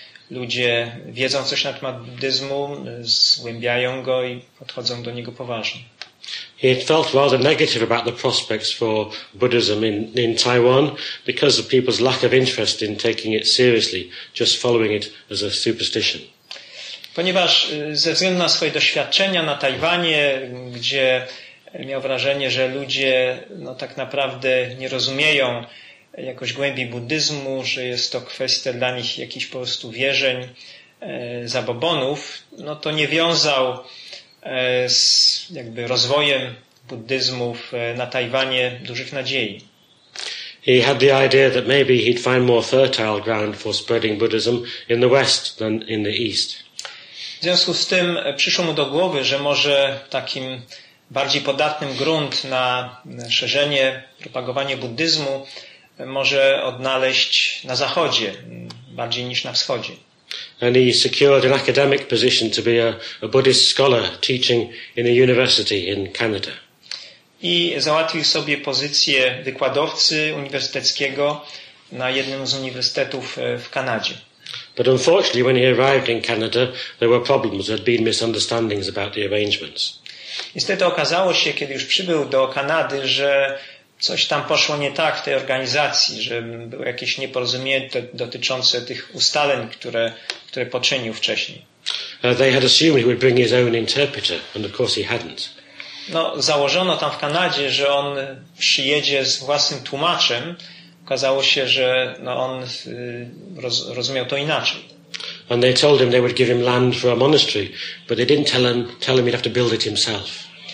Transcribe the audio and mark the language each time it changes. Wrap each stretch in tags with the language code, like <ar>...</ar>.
<pl>Ludzie wiedzą coś na temat buddyzmu, zgłębiają go i podchodzą do niego poważnie.</pl> <en>He had felt rather negative about the prospects for Buddhism in Taiwan because of people's lack of interest in taking it seriously, just following it as a superstition.</en> <pl>Ponieważ ze względu na swoje doświadczenia na Tajwanie, gdzie miał wrażenie, że ludzie no, tak naprawdę nie rozumieją jakoś głębi buddyzmu, że jest to kwestia dla nich jakichś po prostu wierzeń, zabobonów, no to nie wiązał z jakby rozwojem buddyzmu na Tajwanie dużych nadziei.</pl> <en>He had the idea that maybe he'd find more fertile ground for spreading Buddhism in the West than in the East.</en> <pl>W związku z tym przyszło mu do głowy, że może takim bardziej podatnym grunt na szerzenie, propagowanie buddyzmu może odnaleźć na Zachodzie bardziej niż na Wschodzie.</pl> <en>And he secured an academic position to be a Buddhist scholar teaching in a university in Canada.</en> <pl>I załatwił sobie pozycję wykładowcy uniwersyteckiego na jednym z uniwersytetów w Kanadzie.</pl> <en>But unfortunately, when he arrived in Canada, there were problems. There had been misunderstandings about the arrangements.</en> <pl>Niestety okazało się, kiedy już przybył do Kanady, że coś tam poszło nie tak w tej organizacji, że było jakieś nieporozumienie dotyczące tych ustaleń, które poczynił wcześniej.</pl> <en>They had assumed he would bring his own interpreter, and of course he hadn't.</en> <pl>No, założono tam w Kanadzie, że on przyjedzie z własnym tłumaczem. Okazało się, że no, on rozumiał to inaczej.</pl> <en>And they told him they would give him land for a monastery, but they didn't tell him he'd have to build it himself.</en>